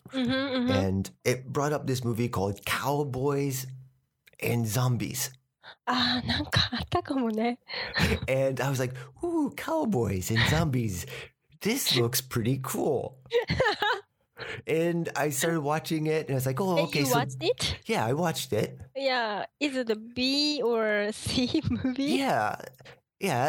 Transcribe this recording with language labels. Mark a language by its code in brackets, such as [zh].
[en] And it brought up this movie called Cowboys and Zombies. [ja] Ah, なんかあったかもね。 [en] And I was like, ooh, cowboys and zombies. This looks pretty cool. And I started watching it and I was like, oh, okay. You watched it? Yeah, I watched it. Yeah. Is it a B or C movie? Yeah. Yeah.